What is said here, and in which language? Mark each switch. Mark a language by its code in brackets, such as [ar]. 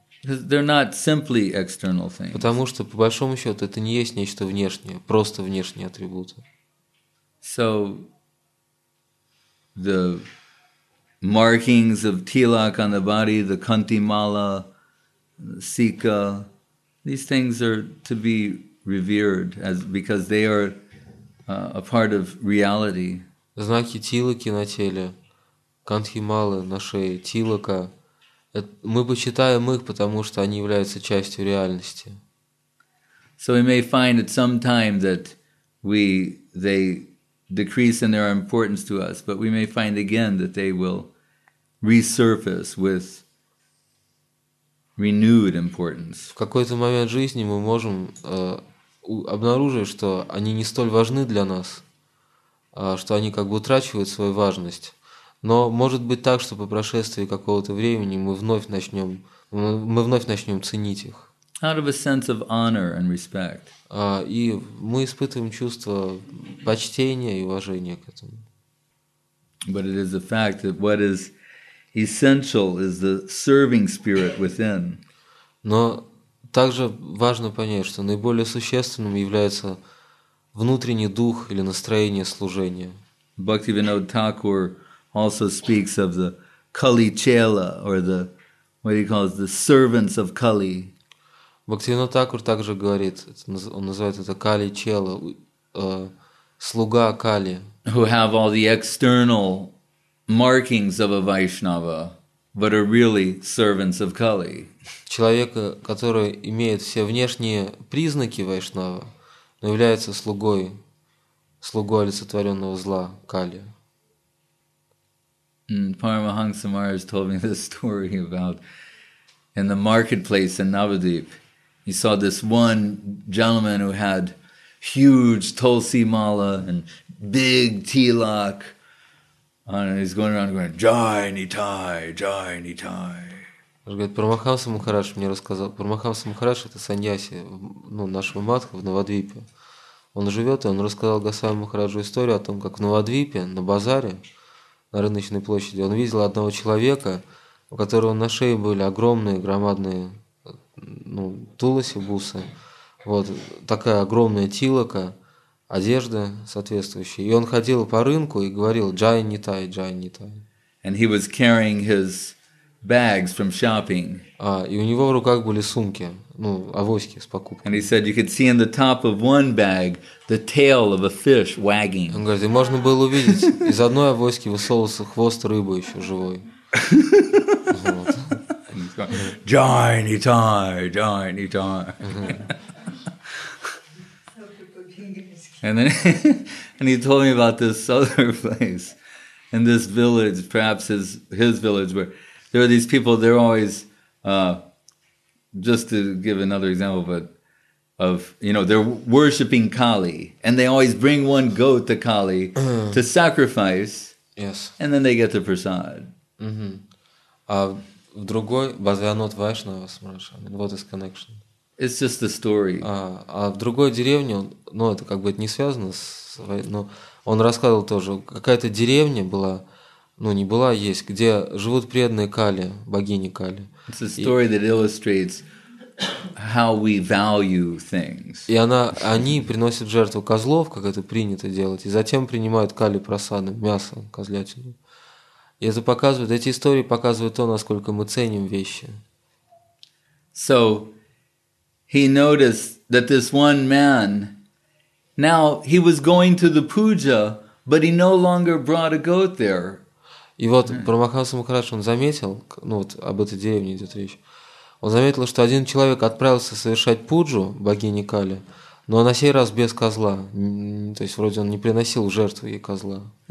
[en] They're not simply external things. [ru] Потому что, по большому счету, это не есть нечто внешнее, просто внешние атрибуты. [en] So the markings of tilak on the body, the kanti mala, sika, these things are to be revered as because they are a part of reality. [ru] Знаки тилаки на теле, кантхи малы на шее, тилака. Мы почитаем их, потому что они являются частью реальности. [en] So we may find at some time that they decrease in their importance to us, but we may find again that they will resurface with renewed importance. [ru] В какой-то момент жизни мы можем обнаружить, что они не столь важны для нас, что они как бы утрачивают свою важность. Но может быть так, что по прошествии какого-то времени мы вновь начнем ценить их. [en] Out of a sense of honor and respect. [ru] И мы испытываем чувство почтения и уважения к этому. [en] But it is the fact that what is essential is the serving spirit within. [ru] Но также важно понять, что наиболее существенным является внутренний дух или настроение служения. [en] Bhaktivinoda Thakur also speaks of the Kali Chela, or the, what he calls, the servants of Kali. [ru] Bhaktivinoda Thakur также говорит, он называет это Kali Chela, слуга Kali. [en] Who have all the external markings of a Vaishnava, but are really servants of Kali. [ru] Человек, который имеет все внешние признаки Вайшнава, но является слугой, слугой олицетворенного зла Кали. [en] Paramahansa Maharaj told me this story about in the marketplace in Navadvip. He saw this one gentleman who had huge tulsi mala and big tilak. And he's going around going, Jai Nitai, Jai Nitai. [ru] Он говорит, Прамахамса Махарадж мне рассказал. Прамахамса Махарадж — это саньяси, ну, нашего матха в Навадвипе. Он живет, и он рассказал Госвами Махараджу историю о том, как в Навадвипе, на базаре, на рыночной площади, он видел одного человека, у которого на шее были огромные, громадные, ну, туласи, бусы. Вот такая огромная тилака, одежда соответствующая. И он ходил по рынку и говорил «Джай Нитай, Джай Нитай». [en] And he was carrying his bags from shopping. [ru] И у него в руках были сумки, ну, авоськи с покупками. [en] And he said you could see in the top of one bag the tail of a fish wagging. [ru] Он говорит, и можно было увидеть, из одной авоськи высовывался хвост рыбы еще живой. [en] Johnny Tie, Johnny Tie. And then and he told me about this other place in this village, perhaps his village, where there are these people, they're always, just to give another example, but of, you know, they're worshipping Kali, and they always bring one goat to Kali to sacrifice, yes, and then they get the prasad. [ru] А в другой, Бадвианот Вайшнава, [en] what is connection? It's just the story. [ru] А в другой деревне, ну, это как бы не связано с, но он рассказывал тоже, какая-то деревня была, ну, не была, есть, где живут преданные Кали, богини Кали. [en] It's a story that illustrates how we value things. [ru] И она, они приносят жертву козлов, как это принято делать, и затем принимают Кали просаны, мясо козлятину. И это показывает, эти истории показывают то, насколько мы ценим вещи. [en] So, he noticed that this one man, now he was going to the puja, but he no longer brought a goat there. [ru] И вот Прамахамса Махарадж, он заметил, ну вот об этой деревне идет речь, он заметил, что один человек отправился совершать пуджу богини Кали, но на сей раз без козла, то есть вроде он не приносил жертву ей козла.